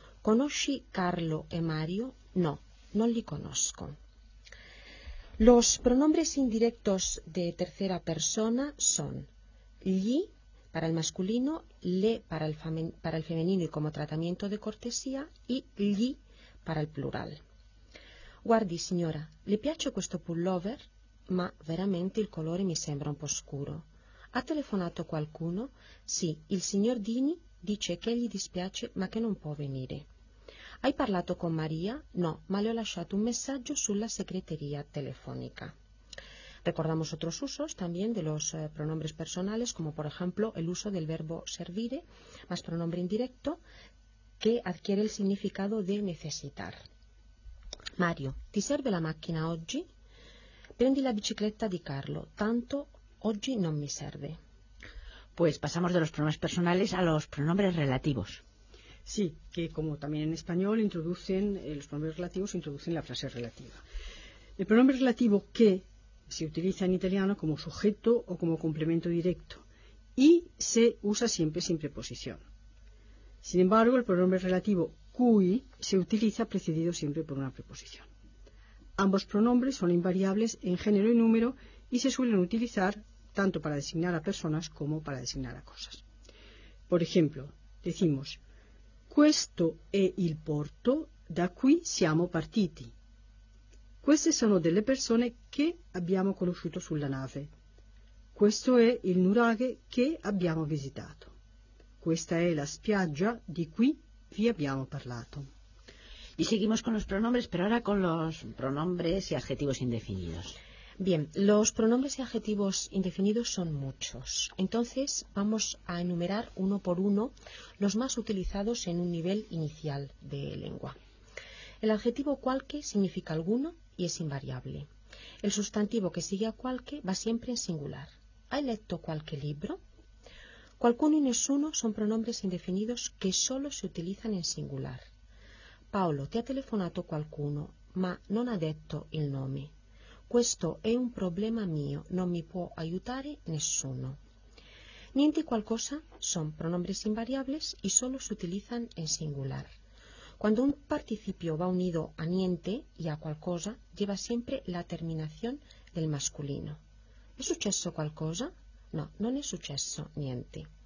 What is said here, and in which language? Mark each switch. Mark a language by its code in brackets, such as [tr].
[it] Conosci Carlo e Mario? No, non li conosco. [es] Los pronombres indirectos de tercera persona son gli para el masculino, le para el femenino y como tratamiento de cortesía, y gli para el plural. [it] Guardi, signora, le piace questo pullover? Ma veramente il colore mi sembra un po' scuro. Ha telefonato qualcuno? Sì, il signor Dini dice che gli dispiace ma che non può venire. Hai parlato con Maria? No, ma le ho lasciato un messaggio sulla segreteria telefonica. [es] Recordamos otros usos también de los pronombres personales, como por ejemplo el uso del verbo servire, más pronombre indirecto, que adquiere el significado de necesitar. [it] Mario, ¿ti serve la macchina oggi? Prendi la bicicletta di Carlo, tanto oggi non mi serve. [es] Pues pasamos de los pronombres personales a los pronombres relativos. Sí, que como también en español introducen los pronombres relativos, introducen la frase relativa. El pronombre relativo que se utiliza en italiano como sujeto o como complemento directo y se usa siempre sin preposición. Sin embargo, el pronombre relativo cui se utiliza precedido siempre por una preposición. Ambos pronombres son invariables en género y número y se suelen utilizar tanto para designar a personas como para designar a cosas. Por ejemplo, decimos [it] questo è il porto da cui siamo partiti. Queste sono delle persone che abbiamo conosciuto sulla nave. Questo è il nuraghe che abbiamo visitato. Questa è la spiaggia di cui vi abbiamo parlato. [es] Y seguimos con los pronombres, pero ahora con los pronombres y adjetivos indefinidos. Bien, los pronombres y adjetivos indefinidos son muchos. Entonces, vamos a enumerar uno por uno los más utilizados en un nivel inicial de lengua. El adjetivo qualche significa alguno y es invariable. El sustantivo que sigue a qualche va siempre en singular. [it] ¿Hai letto qualche libro? [es] Qualcuno y nessuno son pronombres indefinidos que solo se utilizan en singular. [it] Paolo, ti ha telefonato qualcuno, ma non ha detto il nome. Questo è un problema mio, non mi può aiutare nessuno. [es] Niente y qualcosa son pronombres invariables y solo se utilizan en singular. Cuando un participio va unido a niente y a qualcosa, lleva siempre la terminación del masculino. [it] ¿Es successo qualcosa? No, non è successo niente.